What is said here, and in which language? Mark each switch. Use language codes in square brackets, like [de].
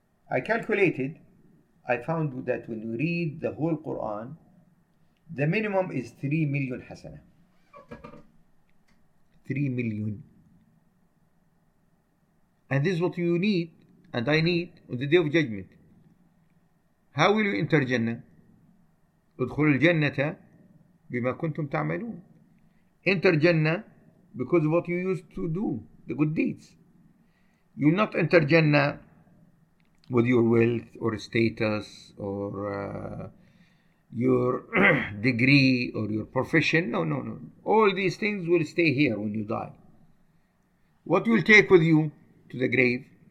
[en] I calculated, I found that when you read the whole Quran, the minimum is 3 million hasana. 3 million. And this is what you need, and I need, on the Day of Judgment. How will you enter Jannah? [ar] ادخل الجنة بما كنتم تعملون. [en] Enter Jannah because of what you used to do, the good deeds. You will not enter Jannah with your wealth or status or your degree or your profession. No. All these things will stay here when you die. What you will take with you to the grave?